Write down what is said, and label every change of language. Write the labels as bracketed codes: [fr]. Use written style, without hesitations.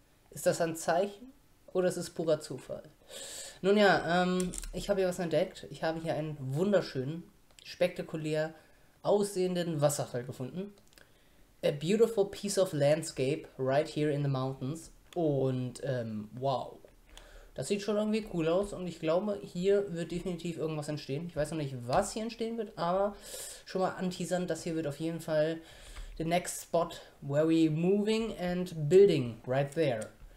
[de] Ist das ein Zeichen oder ist es purer Zufall? Nun ja, ich habe hier was entdeckt. Ich habe hier einen wunderschönen, spektakulär aussehenden Wasserfall gefunden. [en] A beautiful piece of landscape right here in the mountains. [de] Und wow. Das sieht schon irgendwie cool aus und ich glaube, hier wird definitiv irgendwas entstehen. Ich weiß noch nicht, was hier entstehen wird, aber schon mal anteasern, das hier wird auf jeden Fall [en] the next spot where we moving and building right there.